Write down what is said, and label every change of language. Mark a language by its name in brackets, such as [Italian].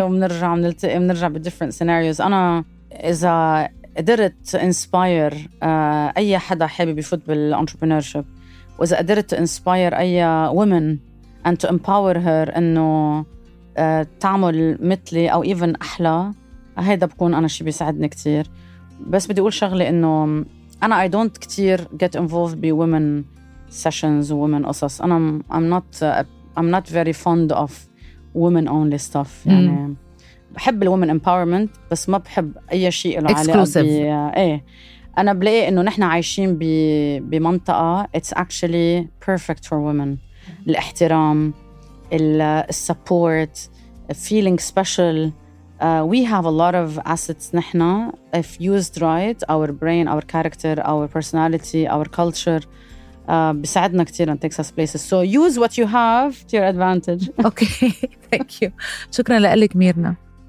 [Arabic] ومنرجع منرجع ب [English] different scenarios. [Arabic] أنا إذا قدرت inspire أي حدا حابب يفوت بالentrepreneurship وإذا قدرت inspire أي [English] woman and to empower her [Arabic] إنه تعمل مثلي أو even أحلى هيدا بكون أنا شي بيساعدني كتير. بس بدي أقول شغلي إنه أنا [English] I don't [Arabic] كتير [English] get involved [Arabic] ب [English] women sessions women [Arabic] قصص. [English] أنا I'm not very fond of women only stuff. [Arabic] يعني بحب ال women empowerment بس ما بحب أي شيء له علاقة [English] exclusive. [Arabic] إيه أنا بلاقي إنه نحن عايشين بمنطقة [English] it's actually perfect for women. [Arabic] الاحترام ال [English] support feeling special. We have a lot of assets [Arabic] نحنا [English] if used right, our brain, our character, our personality, our culture [Arabic] بساعدنا كتير [English] in Texas places. So use what you have to your advantage. Okay, thank you. [Arabic] شكرا لك ميرنا.